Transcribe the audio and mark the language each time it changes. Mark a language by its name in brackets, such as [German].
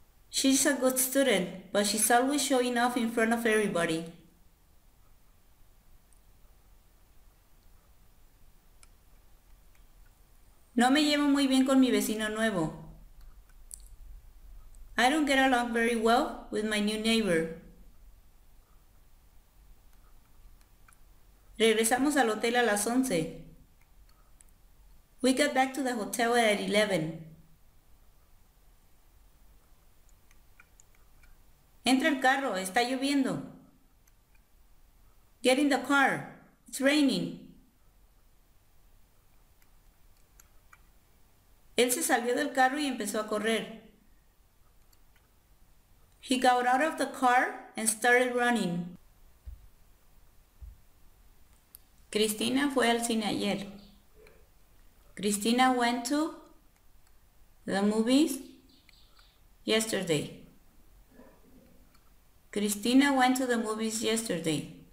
[English] She's a good student, but she's always showing off in front of everybody. [Spanish] No me llevo muy bien con mi vecino nuevo. [English] I don't get along very well with my new neighbor. [Spanish] Regresamos al hotel a las 11. [English] We got back to the hotel at 11. [Spanish] Entra el carro, está lloviendo. [English] Get in the car, it's raining. [Spanish] Él se salió del carro y empezó a correr. [English] He got out of the car and started running. [Spanish] Cristina fue al cine ayer. [English] Cristina went to The movies? Yesterday. Cristina went to the movies yesterday.